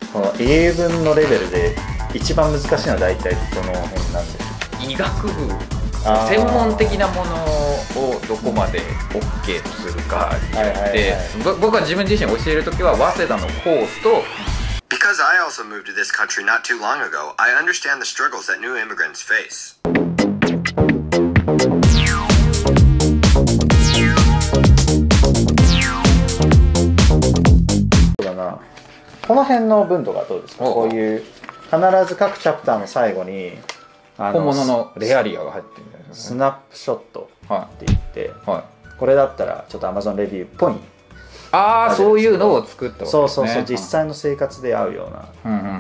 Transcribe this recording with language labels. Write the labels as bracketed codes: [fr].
[ja] その英文のレベルで一番難しいのは大体どの辺なんでしょう。医学部、専門的なものをどこまで OK とするかによって、はいはいはい、僕は自分自身教えるときは早稲田のコースと、 [en] Because I also moved to this country not too long ago, I understand the struggles that new immigrants face. [ja] そうだな。この辺の文とかどうですか？こういう必ず各チャプターの最後に本物のレアリアが入ってるんだよね。スナップショットって言って、はいはい、これだったらちょっと Amazon レビューっぽい。ああ、そういうのを作ったわけですね。そうそうそう、実際の生活で合うような。